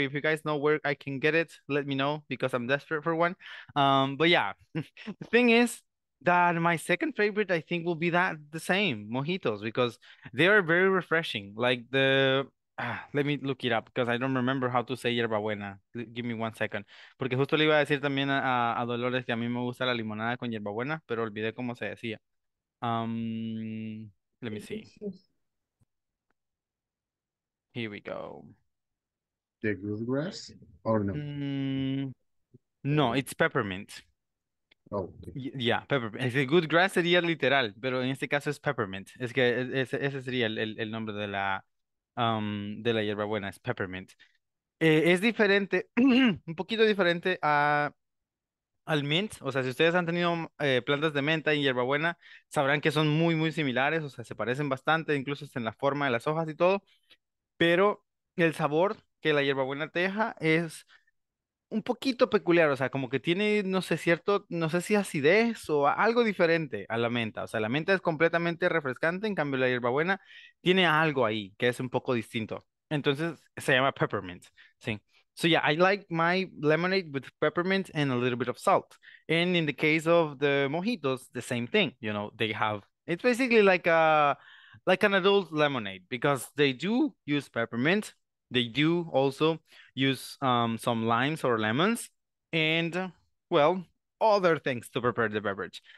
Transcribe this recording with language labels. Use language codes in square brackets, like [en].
[en] If you guys know where I can get it, let me know because I'm desperate for one. But yeah, the thing is that my second favorite, I think, will be that the same, mojitos, because they are very refreshing. Like the, let me look it up because I don't remember how to say hierbabuena. Give me one second. [es] Porque justo le iba a decir también a Dolores que a mí me gusta la limonada con hierbabuena, pero olvidé cómo se decía. [en] Let me see. Here we go. The goldgrass or no? No, it's peppermint. Oh. Yeah, peppermint. [es] Es el goldgrass sería literal, pero en este caso es peppermint. Es que ese sería el nombre de la hierbabuena, es peppermint. Es diferente, un poquito diferente a al mint. O sea, si ustedes han tenido plantas de menta y hierbabuena, sabrán que son muy, muy similares. O sea, se parecen bastante, incluso en la forma de las hojas y todo. Pero el sabor que la hierbabuena te deja es un poquito peculiar. O sea, como que tiene, no sé si acidez o algo diferente a la menta. O sea, la menta es completamente refrescante. En cambio, la hierbabuena tiene algo ahí que es un poco distinto. Entonces, se llama peppermint. Sí. [en] So, yeah, I like my lemonade with peppermint and a little bit of salt. And in the case of the mojitos, the same thing. You know, they have, it's basically like a, like an adult lemonade, because they do use peppermint, they do also use some limes or lemons, and well, other things to prepare the beverage.